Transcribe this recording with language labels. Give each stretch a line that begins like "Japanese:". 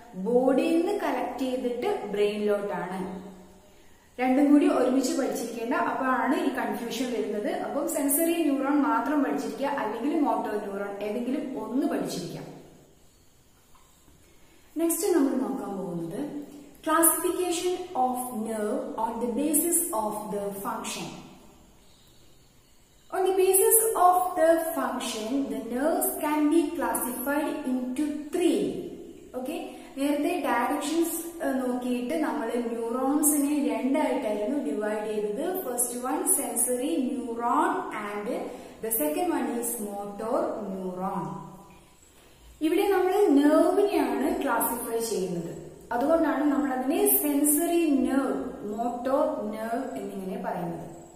Malayalam: ബോഡിയിൽ നിന്ന് കളക്ട് ചെയ്തിട്ട് ബ്രെയിനിലോട്ടാണ്. രണ്ടും കൂടി ഒരുമിച്ച് പഠിച്ചിരിക്കേണ്ട, അപ്പോഴാണ് ഈ കൺഫ്യൂഷൻ വരുന്നത്. അപ്പം സെൻസറി ന്യൂറോൺ മാത്രം പഠിച്ചിരിക്കുക, അല്ലെങ്കിൽ മോട്ടോർ ന്യൂറോൺ, ഏതെങ്കിലും ഒന്ന് പഠിച്ചിരിക്കാം.
English: next
Malayalam: നമ്മൾ നോക്കാൻ പോകുന്നത്
English: Classification of nerve on the basis of the function. On the basis of the function, the nerves can be classified into three.
Malayalam: Okay, നേരത്തെ directions നോക്കിയിട്ട് നമ്മൾ ന്യൂറോൺസിനെ രണ്ടായിട്ടായിരുന്നു ഡിവൈഡ് ചെയ്തത്.
English: First one sensory neuron and the second one is motor neuron.
Malayalam: ഇവിടെ നമ്മൾ നെർവിനെയാണ് classify ചെയ്യുന്നത്, അതുകൊണ്ടാണ് നമ്മൾ അതിനെ സെൻസറി നെർവ്, മോട്ടോർ നെർവ് എന്നിങ്ങനെ പറയുന്നത്.